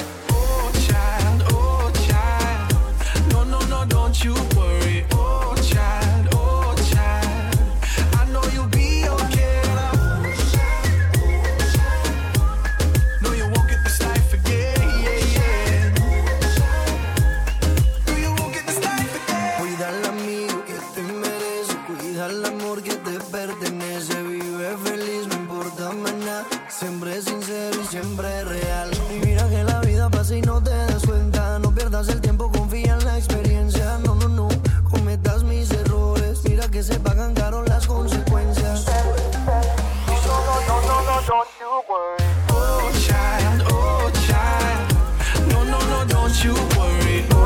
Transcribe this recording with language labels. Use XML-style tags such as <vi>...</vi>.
<en>Oh child, no, no, no, don't you worry. Oh child, I know you'll be okay. No, you won't get this life again, yeah, yeah. No, you won't get this life again.</en> <es>Cuida el amigo que te merece, cuida el amor que te pertenece. Vive feliz, no importa mañana. Siempre sincero y siempre real. Y mira que la vida pasa y no te das cuenta. No pierdas el tiempo, confía en la experiencia. No, no, no, cometas mis errores. Mira que se pagan caro las consecuencias.</es> <en>No, no, no, no, no, don't you worry. Oh child, no, no, no, don't you worry.</en>